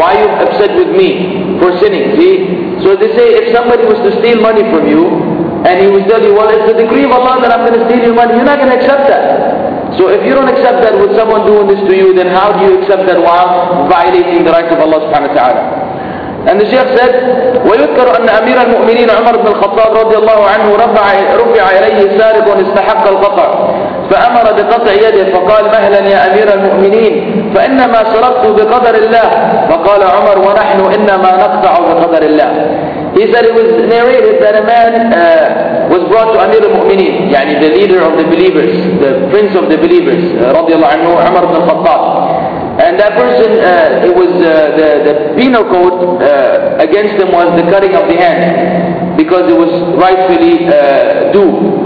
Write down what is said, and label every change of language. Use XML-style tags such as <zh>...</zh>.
<en>Why are you upset with me for sinning? See? So they say, if somebody was to steal money from you, and he would tell you, well, it's the decree of Allah that I'm going to steal your money, you're not going to accept that. So if you don't accept that with someone doing this to you, then how do you accept that while violating the rights of Allah subhanahu wa ta'ala? And the Sheikh said,</en> <ar>وَيُذْكَرُ أَنَّ أَمِيرَ الْمُؤْمِنِينَ عُمَرُ بْنُ الْخَطَّابِ رَضِيَ اللَّهُ عَنْهُ رُفِعَ إِلَيْهِ سَارِقٌ اسْتَحَقَّ الْقَطْعَ فَأَمَرَ بِقَطْعِ يَدِهِ فَقَالَ مَهْلًا يَا أَمِيرَ الْمُؤْمِنِينَ فَإِنَّمَا سَرَقْتُ بِقَدَرِ اللَّهِ فَقَالَ عُمَرُ وَنَحْنُ إِنَّمَا نَقْطَعُ بِقَدَرِ اللَّهِ.</ar> <en>He said, it was narrated that a man was brought to Amir al-Mu'mineen, يعني the leader of the believers, the prince of the believers,</en> <ar>رضي الله عنه,</ar> <en>عمر بن الخطاب. And that person, it was the penal code against him was the cutting of the hand, because it was rightfully due.</en>